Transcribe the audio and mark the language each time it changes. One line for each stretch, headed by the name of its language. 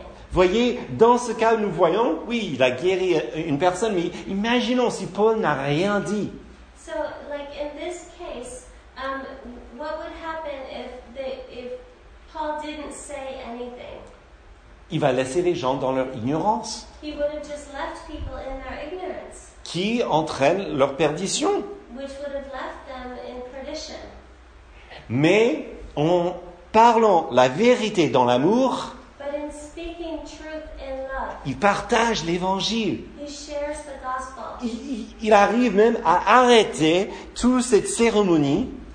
French: Voyez, dans ce cas nous voyons, oui, il a guéri une personne, mais imaginons si Paul n'a rien dit.
English: So, like in this case, what would happen if Paul didn't say anything?
French: Il va laisser les gens dans leur ignorance.
English: He would have just left people in their ignorance.
French: Qui entraîne leur perdition.
English: Which would have left them in perdition.
French: Mais en parlant la vérité dans l'amour,
English: but in speaking truth in love,
French: il partage l'évangile.
English: He shares the gospel.
French: Il arrive même à arrêter toute cette cérémonie.